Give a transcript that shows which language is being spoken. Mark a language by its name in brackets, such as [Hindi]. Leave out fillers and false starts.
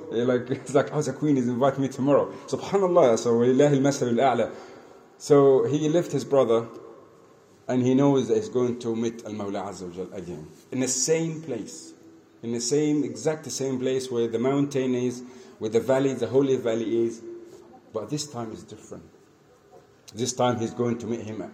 [English] It's like, the queen is inviting me tomorrow. [Arabic] SubhanAllah, [English] so [Arabic] وَلِلَّهِ الْمَثَلُ الْأَعْلَى. [English] So he left his brother, and he knows that he's going to meet Al-Mawla Azza wa Jal again, in the same place. In the same, exact the same place where the mountain is, where the valley, the holy valley is. But this time is different. This time he's going to meet him.